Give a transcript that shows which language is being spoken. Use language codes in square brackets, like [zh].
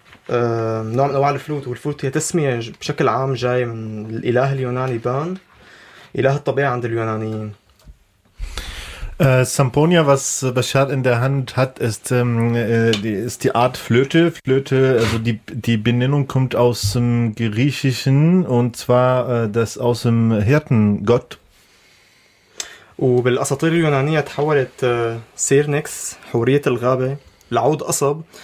[ar] نوع من أنواع الفلوت والفلوت هي تسمية بشكل عام جاي من الإله اليوناني بان إله الطبيعة عند اليونانيين. [de] Zambonia, was Bashar in der Hand hat, ist die Art Flöte. Flöte, also die Benennung kommt aus dem Griechischen und zwar das aus dem Hirtengott. [ar] وبالأساطير اليونانية تحولت سيرنكس حورية الغابة لعود قصب.